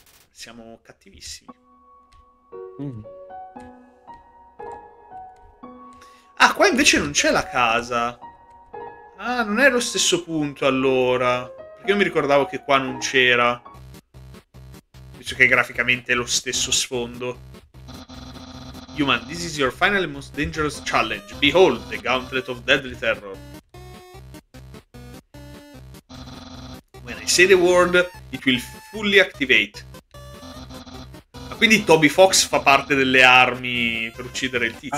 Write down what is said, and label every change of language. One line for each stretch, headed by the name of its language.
Italian: Siamo cattivissimi. Ah, qua invece non c'è la casa. Ah, non è lo stesso punto allora. Perché io mi ricordavo che qua non c'era. Visto che graficamente è lo stesso sfondo.
English: Human, this is your final and most dangerous challenge. Behold, the gauntlet of deadly terror. When I say the word, it will fully activate.
Italian: Quindi Toby Fox fa parte delle armi per uccidere il tizio?